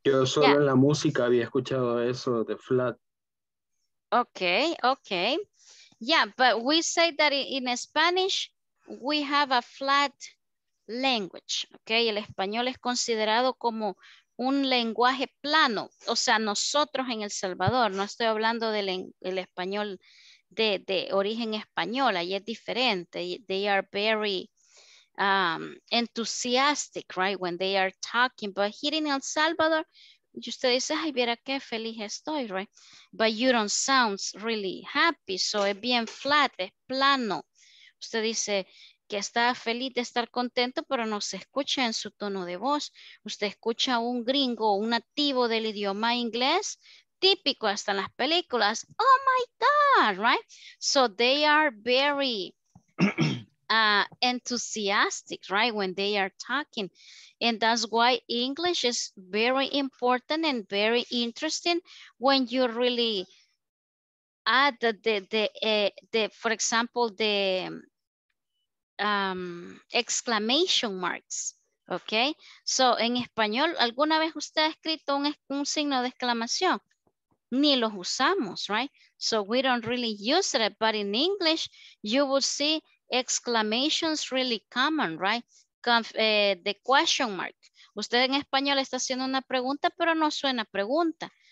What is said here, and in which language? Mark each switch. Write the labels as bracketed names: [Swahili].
[Spanish] Yo solo en la música había escuchado eso de flat. [English] Okay, okay. Yeah, but we say that in Spanish, we have a flat language, okay? [Spanish] El español es considerado como un lenguaje plano. O sea, nosotros en El Salvador, no estoy hablando del el español de origen español, ahí es diferente. [English] They are very enthusiastic, right? When they are talking, but here in El Salvador, [Spanish] y usted dice, ay, viera qué feliz estoy, right? [English] But you don't sound really happy, [Spanish] so es bien flat, es plano. Usted dice que está feliz de estar contento, pero no se escucha en su tono de voz. Usted escucha a un gringo, un nativo del idioma inglés, típico hasta en las películas. [English] Oh my God, right? So they are very enthusiastic, right? When they are talking. And that's why English is very important and very interesting when you really add for example, the exclamation marks. Okay. [Spanish] So en español, ¿alguna vez usted ha escrito un signo de exclamación? Ni los usamos, right? [English] So we don't really use it, but in English, you will see exclamations really common, right? The question mark. [Spanish] Usted en español está haciendo una pregunta, pero no suena pregunta.